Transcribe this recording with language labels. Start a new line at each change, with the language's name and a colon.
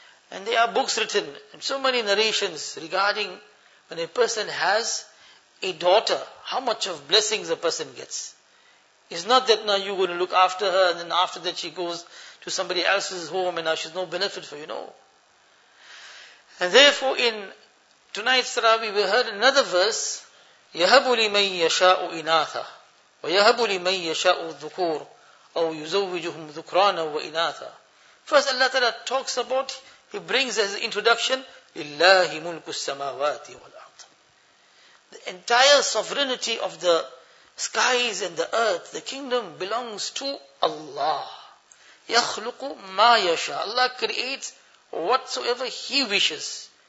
English: And there are books written, and so many narrations regarding when a person has a daughter, how much of blessings a person gets. It's not that now you're going to look after her, and then after that she goes to somebody else's home, and now she's no benefit for you, no. And therefore, in tonight's Tarawih, we heard another verse,
Arabic: يَهَبُ لِمَنْ يَشَاءُ إِنَاثًا وَيَهَبُ لِمَنْ يَشَاءُ الذُّكُورُ أَوْ يُزَوِّجُهُمْ ذُكْرَانًا وَإِنَاثًا.
English: First Allah Ta'ala talks about, he brings as an introduction,
Arabic: لِلَّهِ مُلْكُ السَّمَاوَاتِ وَالْأَرْضِ.
English: The entire sovereignty of the skies and the earth, the kingdom belongs to Allah.
Arabic: يَخْلُقُ مَا يَشَاءُ.
English: Allah creates whatsoever He wishes.